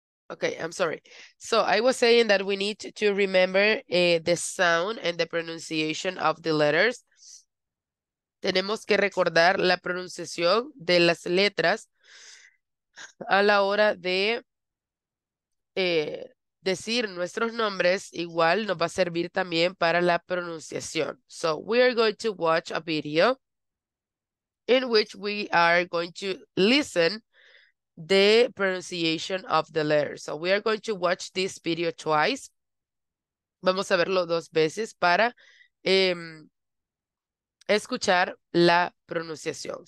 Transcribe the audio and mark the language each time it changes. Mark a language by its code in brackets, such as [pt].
[en] Okay, I'm sorry. So I was saying that we need to remember the sound and the pronunciation of the letters. [es] Tenemos que recordar la pronunciación de las letras a la hora de decir nuestros nombres. Igual nos va a servir también para la pronunciación. [en] So we are going to watch a video in which we are going to listen the pronunciation of the letter. So we are going to watch this video twice. [es] Vamos a verlo dos veces para escuchar la pronunciación.